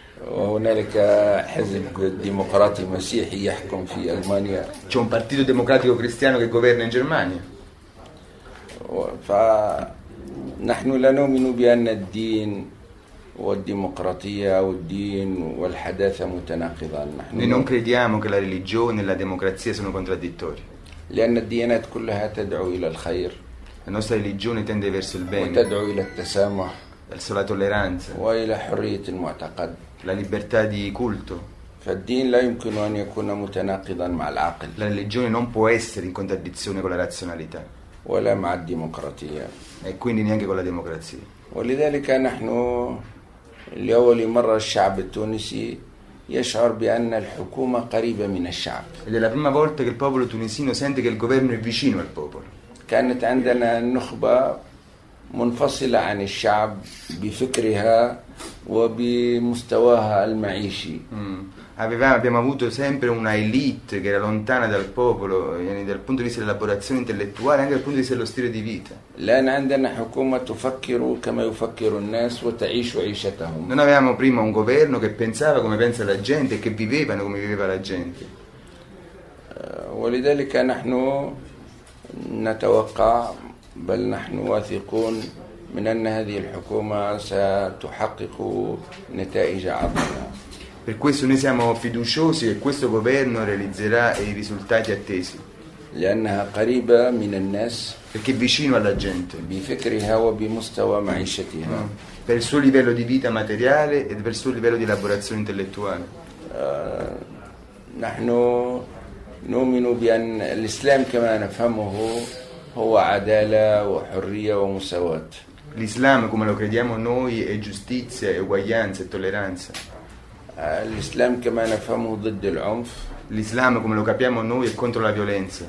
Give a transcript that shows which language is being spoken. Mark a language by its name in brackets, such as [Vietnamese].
[Arabic] وهنالك حزب ديمقراطي مسيحي يحكم في ألمانيا. [Italian] C'è un partito democratico cristiano che governa in Germania. [Arabic] فنحن لا نؤمن بأن الدين والديمقراطية والدين والحداثة متناقضان. [Italian] Noi non crediamo che la religione e la democrazia siano contraddittori. [Arabic] لأن الديانات كلها تدعو إلى الخير. [Italian] La nostra religione tende verso il bene. [Arabic] وتدعو إلى التسامح. [Italian] Verso la tolleranza. [Arabic] وإلى حرية المعتقد. [Italian] La libertà di culto. [Arabic] فالدين لا يمكن أن يكون متناقضا مع العقل. [Italian] La religione non può essere in contraddizione con la razionalità. [Arabic] ولا مع الديمقراطية. [Italian] E quindi neanche con la democrazia. [Arabic] ولذلك نحن لأول مرة الشعب التونسي يشعر بأن الحكومة قريبة من الشعب. [Italian] Ed è la prima volta che il popolo tunisino sente che il governo è vicino al popolo. [Arabic] كانت عندنا النخبة منفصلة عن الشعب بفكرها وبمستواها المعيشي. [Italian] Abbiamo avuto sempre una elite che era lontana dal popolo, [Arabic] يعني [Italian] dal punto di vista dell'elaborazione intellettuale, anche dal punto di vista dello stile di vita. [Arabic] لأن عندنا حكومة تفكر كما يفكر الناس وتعيش عيشتهم. [Italian] Non avevamo prima un governo che pensava come pensa la gente e che vivevano come viveva la gente. [Arabic] ولذلك نحن نتوقع بل نحن واثقون من أن هذه الحكومة ستحقق نتائج عظيمة. [Italian] Per questo noi siamo fiduciosi che questo governo realizzerà i risultati attesi. [Arabic] لأنها قريبة من الناس. [Italian] Perché vicino alla gente. [Arabic] بفكرها وبمستوى معيشتها. [Italian] Per il suo livello di vita materiale e per il suo livello di elaborazione intellettuale. [Arabic] نحن نؤمن بأن الإسلام كما نفهمه هو عدالة وحرية ومساواة. [Italian] L'Islam, come lo crediamo noi, è giustizia, eguaglianza e tolleranza. L'Islam, come lo capiamo noi, è contro il [Arabic] عنف. [Italian] L'Islam, come lo capiamo noi, è contro la violenza.